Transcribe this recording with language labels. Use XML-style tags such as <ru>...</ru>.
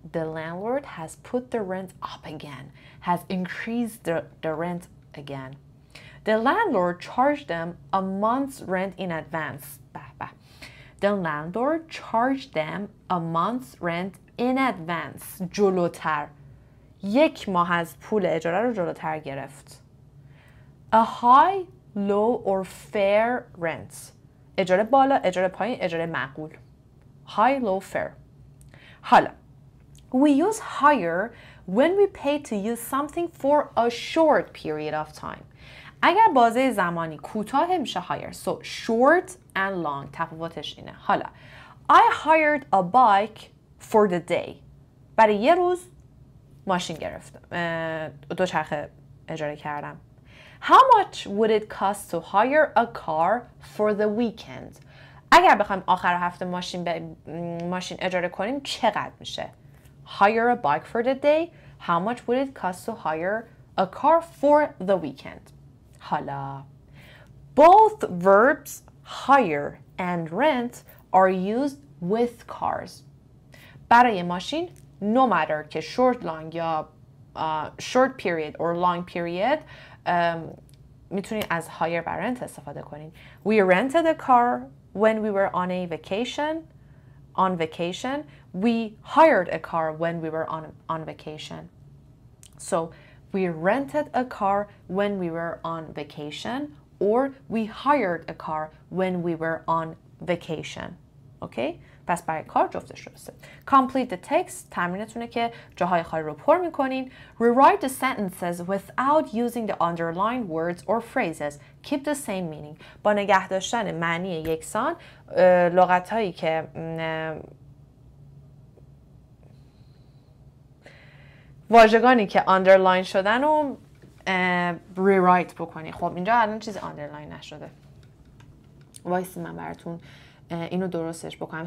<en>The landlord has put the rent up again. Has increased the rent again. The landlord charged them a month's rent in advance. Bah, bah. The landlord charged them a month's rent in advance.</en> <fa>جلوتر. یک ماه از پول اجاره رو جلوتر گرفت.</fa> <en>A high, low or fair rent.</en> <fa>اجاره بالا، اجاره پایین، اجاره معقول.</fa> <en>High, low, fair. حالا we use higher when we pay to use something for a short period of time.</en> <fa>اگر بازه زمانی کوتاه میشه higher.</fa> <en>So short and long</en> <fa>تفاوتش اینه.</fa> <en>حالا I hired a bike for the day.</en> <fa>برای یه روز ماشین گرفتم. دوچرخه اجاره کردم.</fa> <en>How much would it cost to hire a car for the weekend?</en> <fa>اگر بخوایم آخر هفته ماشین اجاره کنیم چقدر میشه؟</fa> <en>Hire a bike for the day. How much would it cost to hire a car for the weekend? حالا both verbs hire and rent are used with cars.</en> <fa>برای ماشین</fa> <en>no matter</en> <fa>که short long یا</fa> <en>short period or long period</en> <fa>میتونید از hire و rent استفاده کنین.</fa> <en>We rented a car when we were on a vacation. On vacation, we hired a car when we were on vacation. So we rented a car when we were on vacation, or we hired a car when we were on vacation. Okay?</en> <fa>پس برای کار جفتش رسته.</fa> <en>Complete the text.</en> <fa>تمرینتونه که جاهای خالی رو پر میکنین.</fa> <en>Rewrite the sentences without using the underlined words or phrases. Keep the same meaning.</en> <fa>با نگه داشتن معنی یکسان لغت هایی که واژگانی که underline شدن رو rewrite بکنی. خب اینجا الان چیز underline نشده. وایسی من براتون اینو درستش بکنم.</fa>